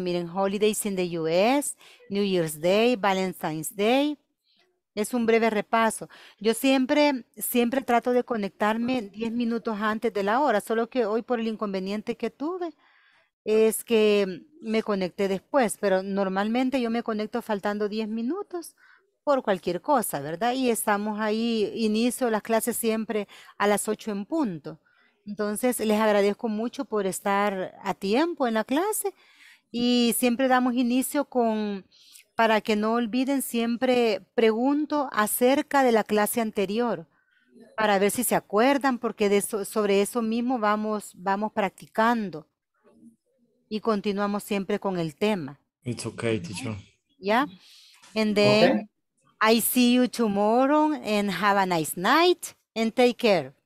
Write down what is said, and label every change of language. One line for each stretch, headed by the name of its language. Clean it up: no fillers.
Spanish: Miren,
English: holidays in the US, New Year's Day, Valentine's Day.
Spanish: Es un breve repaso. Yo siempre trato de conectarme 10 minutos antes de la hora, solo que hoy por el inconveniente que tuve es que me conecté después, pero normalmente yo me conecto faltando 10 minutos por cualquier cosa, ¿verdad? Y estamos ahí, inicio las clases siempre a las 8 en punto. Entonces, les agradezco mucho por estar a tiempo en la clase y siempre damos inicio para que no olviden, siempre pregunto acerca de la clase anterior, para ver si se acuerdan, porque sobre eso mismo vamos practicando y continuamos siempre con el tema.
English: It's okay, teacher.
Spanish: ¿Ya?
English: And Okay. then, I see you tomorrow and have a nice night and take care.